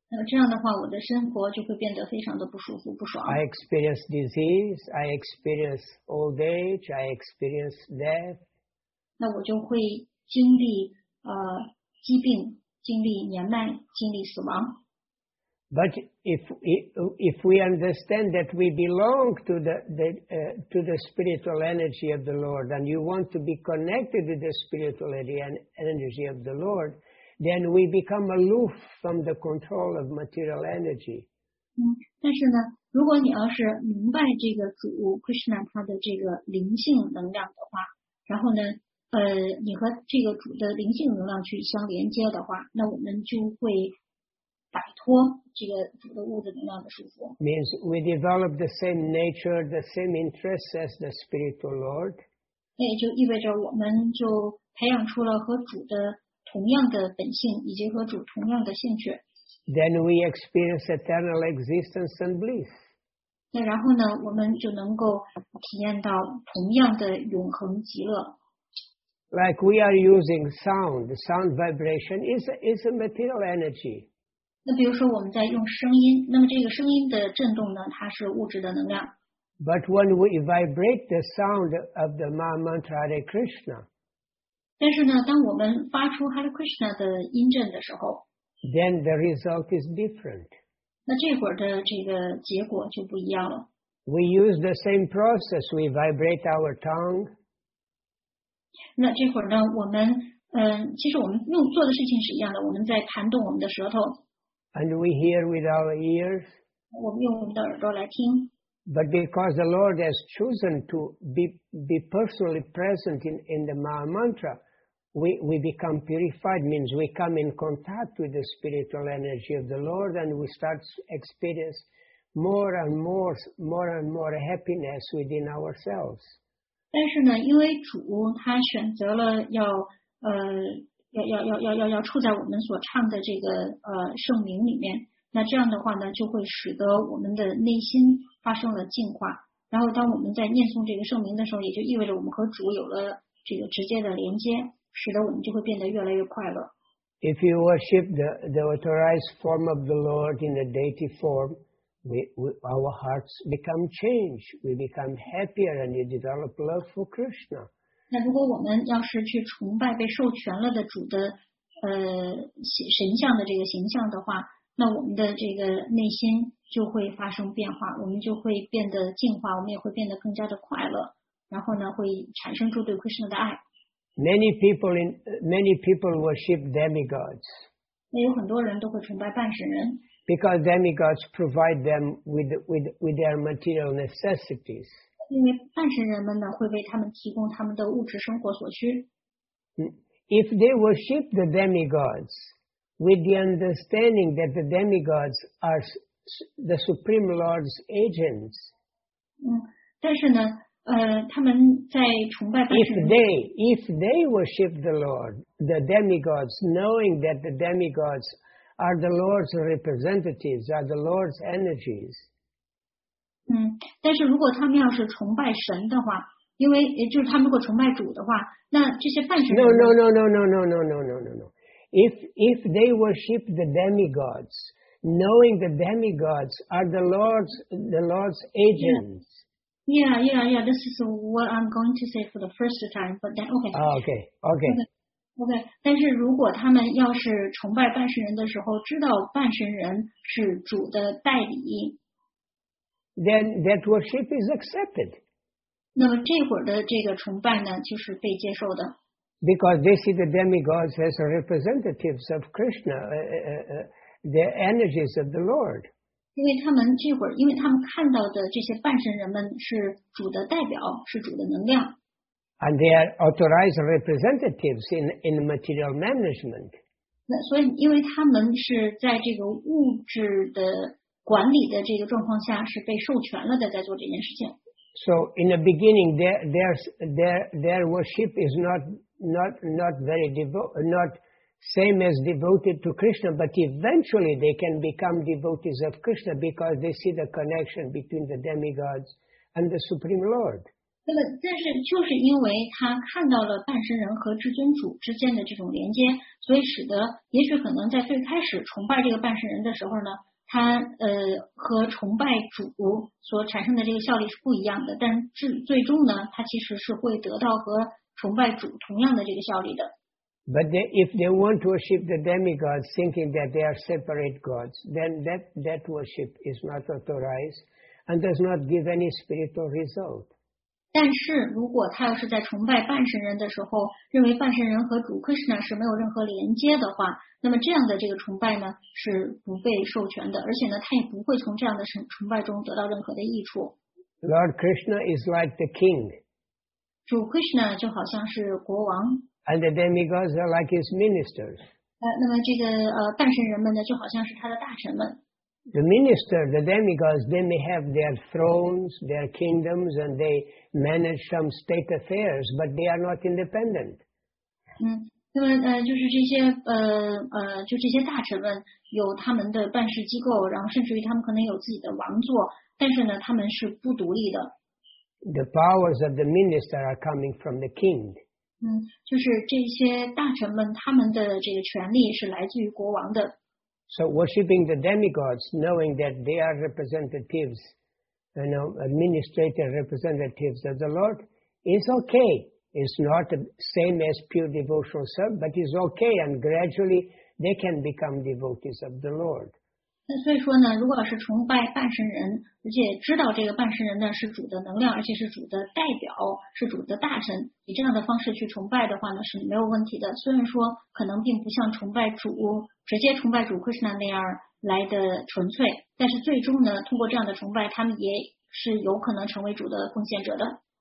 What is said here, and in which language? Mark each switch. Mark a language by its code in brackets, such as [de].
[zh] 这样的话，我的生活就会变得非常的不舒服，不爽。 [en] I experience disease, I experience old age, I experience death. [zh] 那我就会经历疾病，经历年迈，经历死亡。 [en] But if we understand that we belong to the spiritual energy of the Lord, and you want to be connected with the spiritual energy of the Lord, then we become aloof from the control of material energy. [zh] 但是呢，如果你要是明白这个主 Krishna 他的这个灵性能量的话，然后呢，你和这个主的灵性能量去相连接的话，那我们就会摆脱这个主的物质能量的束缚。 [en] Means we develop the same nature, the same interests as the spiritual Lord. [zh] 那也就意味着我们就培养出了和主的同样的本性，以及和主同样的兴趣。 [en] Then we experience eternal existence and bliss. [zh] 那然后呢，我们就能够体验到同样的永恒极乐。 [en] Like we are using sound, sound vibration is a material energy. [zh] 那比如说我们在用声音，那么这个声音的震动呢，它是物质的能量。 [en] But when we vibrate the sound of the Ma Mantra Hare Krishna, [zh] 但是呢，当我们发出 Hare Krishna 的音震的时候， [en] then the result is different. [zh] 那这会儿的这个结果就不一样了。 [en] We use the same process. We vibrate our tongue. [zh] 那这会儿呢，我们其实我们用做的事情是一样的，我们在弹动我们的舌头。 [en] And we hear with our ears. [zh] 我们用我们的耳朵来听。 [en] But because the Lord has chosen to be personally present in the Maha Mantra, we become purified, means we come in contact with the spiritual energy of the Lord and we start experience more and more happiness within ourselves. [zh] 但是呢，因为主他选择了要处在我们所唱的这个圣名里面，那这样的话呢，就会使得我们的内心发生了净化，然后当我们在念诵这个圣名的时候，也就意味着我们和主有了这个直接的连接，使得我们就会变得越来越快乐。 [en] If you worship the authorized form of the Lord in a deity form, our hearts become changed, we become happier, and you develop love for Krishna. [zh] 那如果我们要是去崇拜被授权了的主的神像的这个形象的话，那我们的这个内心就会发生变化，我们就会变得净化，我们也会变得更加的快乐，然后呢，会产生出对 Krishna 的爱。 [en] Many people worship demigods. [zh] 那有很多人都会崇拜半神人。 [en] Because demigods provide them with their material necessities. [zh] 因为半神人们呢，会为他们提供他们的物质生活所需。 [en] If they worship the demigods with the understanding that the demigods are the Supreme Lord's agents. [zh] 但是呢，他们在崇拜半神。 [en] If they worship the Lord, the demigods, knowing that the demigods are the Lord's representatives, are the Lord's energies. [zh] 但是如果他们要是崇拜神的话，因为就是他们如果崇拜主的话，那这些半神。 [en] No. If they worship the demigods, knowing the demigods are the Lord's agents. Yeah. This is what I'm going to say for the first time. But then, okay. [zh] 但是如果他们要是崇拜半神人的时候，知道半神人是主的代理， [en] then that worship is accepted. [zh] 那么这会儿的这个崇拜呢，就是被接受的。 [en] Because they see the demigods as representatives of Krishna, the energies of the Lord. [zh] 因为他们这会儿，因为他们看到的这些半神人们是主的代表，是主的能量。 [en] And they are authorized representatives in material management. [zh] 那所以，因为他们是在这个物质的管理的这个状况下，是被授权了的，在做这件事情。 [en] So in the beginning, their worship is not same as devoted to Krishna, but eventually they can become devotees of Krishna because they see the connection between the demigods and the Supreme Lord. [zh] 那么，但是就是因为他看到了半神人和至尊主之间的这种连接，所以使得也许可能在最开始崇拜这个半神人的时候呢，他和崇拜主所产生的这个效力是不一样的，但是最终呢，他其实是会得到和崇拜主同样的这个效力的。 [en] But they, if they want to worship the demigods, thinking that they are separate gods, then that worship is not authorized and does not give any spiritual result. [zh] 但是如果他要是在崇拜半神人的时候，认为半神人和主 Krishna 是没有任何连接的话，那么这样的这个崇拜呢是不被授权的，而且呢他也不会从这样的崇拜中得到任何的益处。 [en] Lord Krishna is like the king. [zh] 主 Krishna 就好像是国王。 [en] And the demigods are like his ministers. [zh] 那么这个半神人们呢就好像是他的大臣们。 [en] The minister, the demigods, they may have their thrones, their kingdoms, and they manage some state affairs, but they are not independent. [zh] 那么就是这些就这些大臣们有他们的办事机构，然后甚至于他们可能有自己的王座，但是呢，他们是不独立的。 [en] The powers of the minister are coming from the king. [zh] 就是这些大臣们他们的这个权力是来自于国王的。 [en] So worshipping the demigods, knowing that they are representatives, you know, administrative representatives of the Lord, is okay. It's not the same as pure devotional service, but it's okay, and gradually they can become devotees of the Lord. [zh] 那所以说呢，如果是崇拜半神人，而且知道这个半神人呢是主的能量，而且是主的代表，是主的大神，以这样的方式去崇拜的话呢是没有问题的。虽然说可能并不像崇拜主，直接崇拜主 Krishna 那样来的纯粹，但是最终呢，通过这样的崇拜，他们也是有可能成为主的奉献者的。